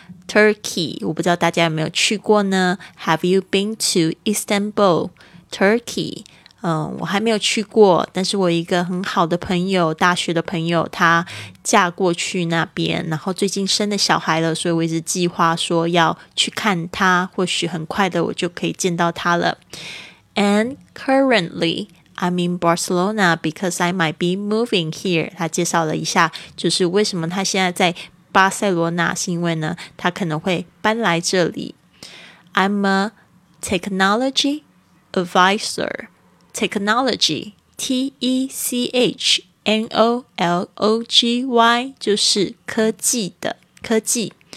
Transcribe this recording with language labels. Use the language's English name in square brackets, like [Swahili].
[Chinese] Turkey, 我不知道大家有没有去过呢。 [English] Have you been to Istanbul, Turkey? [Chinese] 我还没有去过，但是我一个很好的朋友，大学的朋友，她嫁过去那边，然后最近生了小孩了，所以我一直计划说要去看她，或许很快的我就可以见到她了。 [English] And currently, I'm in Barcelona because I might be moving here. [Chinese] 她介绍了一下，就是为什么她现在在巴塞罗那，是因为呢，他可能会搬来这里。 [English] I'm a technology advisor. Technology, T-E-C-H-N-O-L-O-G-Y, [Chinese] 就是科技的，科技。